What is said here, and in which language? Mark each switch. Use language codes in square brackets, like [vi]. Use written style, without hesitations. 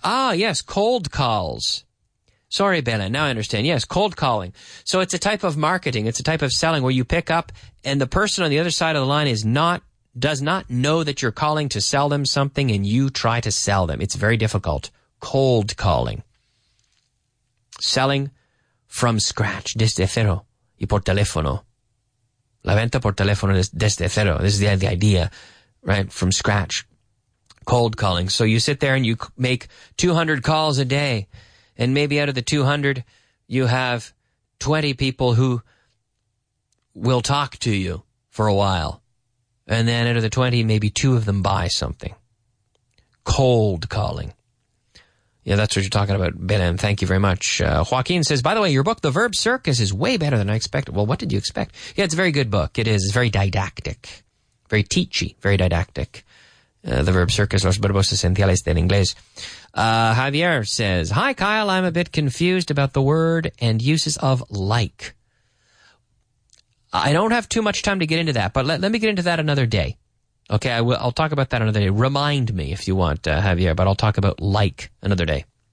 [en] Ah, yes. Cold calls. Sorry, Belen. Now I understand. Yes. Cold calling. So it's a type of marketing. It's a type of selling where you pick up and the person on the other side of the line does not know that you're calling to sell them something and you try to sell them. It's very difficult. Cold calling. Selling from scratch, [es] desde cero, y por teléfono. La venta por teléfono desde cero. [en] This is the idea, right? From scratch. Cold calling. So you sit there and you make 200 calls a day. And maybe out of the 200, you have 20 people who will talk to you for a while. And then out of the 20, maybe two of them buy something. Cold calling. Yeah, that's what you're talking about, Belen. Thank you very much. Joaquin says, by the way, your book, The Verb Circus, is way better than I expected. Well, what did you expect? Yeah, it's a very good book. It is. It's very didactic. Very teachy. Very didactic. [es] The Verb Circus, Los Verbos Esenciales del Inglés. [en] Javier says, hi, Kyle. I'm a bit confused about the word and uses of like. I don't have too much time to get into that, but let me get into that another day. Okay, I'll talk about that another day. Remind me if you want, Javier, but I'll talk about like another day.